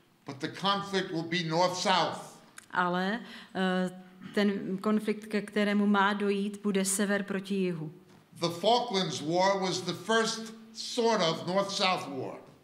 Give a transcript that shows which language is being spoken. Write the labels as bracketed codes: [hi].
[en] But the conflict will be North-South. [cs] Ale ten konflikt, ke kterému má dojít, bude sever proti jihu. [en] The Falklands War was the first sort of North-South War.